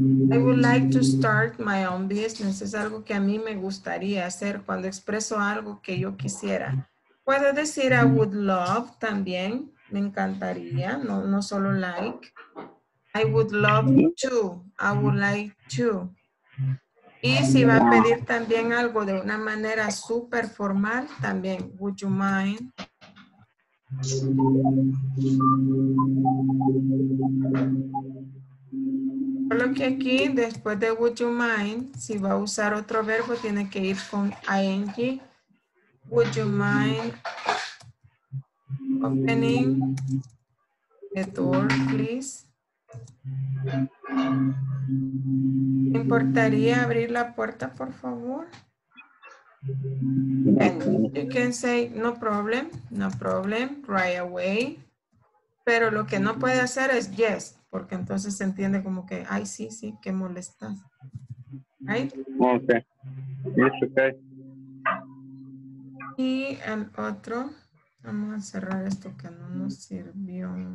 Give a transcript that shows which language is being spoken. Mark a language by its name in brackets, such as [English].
[English] I would like to start my own business. [Spanish] Es algo que a mí me gustaría hacer cuando expreso algo que yo quisiera. Puedo decir [English] I would love [Spanish] también, me encantaría, no solo like. [English] I would love to, I would like to. [Spanish] Y si va a pedir también algo de una manera súper formal, también, [English] would you mind? [Spanish] Solo que aquí, después de [English] would you mind, [Spanish] si va a usar otro verbo, tiene que ir con ing. [English] Would you mind opening the door, please? [Spanish] ¿Me importaría abrir la puerta, por favor? [English] And you can say no problem, no problem, right away. [Spanish] Pero lo que no puede hacer es yes, porque entonces se entiende como que ay, sí, sí, qué molesta. [English] Right? Okay. It's okay. [Spanish] Y el otro, vamos a cerrar esto que no nos sirvió.